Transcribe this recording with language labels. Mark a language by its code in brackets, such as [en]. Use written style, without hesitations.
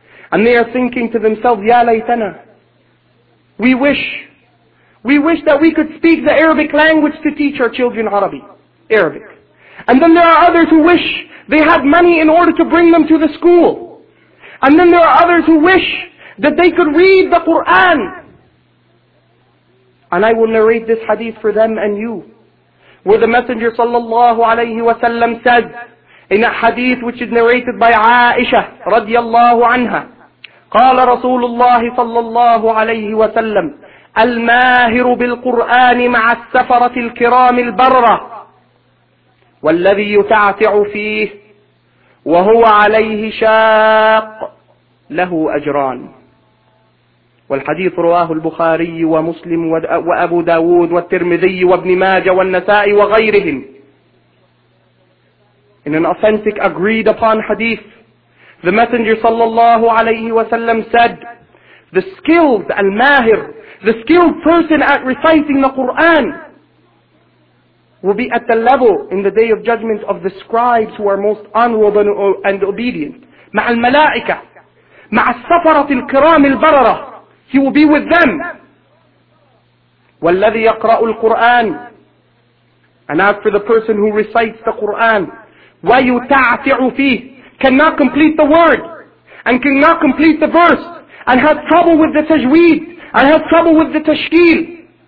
[en] And they are thinking to themselves, Ya Laytana, we wish that we could speak the Arabic language to teach our children Arabic. And then there are others who wish they had money in order to bring them to the school. And then there are others who wish that they could read the Quran. And I will narrate this hadith for them and you. Where the Messenger sallallahu alayhi wa sallam said, in a hadith which is narrated by Aisha radiallahu anha, [ar] قال رسول الله صلى الله عليه وسلم الماهر بالقرآن مع السفرة الكرام البرة والذي يتعتع فيه وهو عليه شاق له أجران. والحديث رواه البخاري ومسلم وأبو داود والترمذي وابن ماجة والنسائي وغيرهم. [en] In an authentic agreed upon hadith, the Messenger sallallahu alayhi wa sallam said, the skilled al-mahir, the skilled person at reciting the Qur'an, will be at the level in the Day of Judgment of the scribes who are most honorable and obedient. [ar] مَعَ الْمَلَائِكَةِ مَعَ السَّفَرَةِ الْكِرَامِ الْبَرَرَةِ. [en] He will be with them. [ar] وَالَّذِي يَقْرَأُ الْقُرْآنِ. [en] And as for the person who recites the Qur'an, [ar] وَيُتَعْتِعُ فِيهِ, [en] cannot complete the word, and cannot complete the verse, and has trouble with the tajweed, and has trouble with the tashkeel.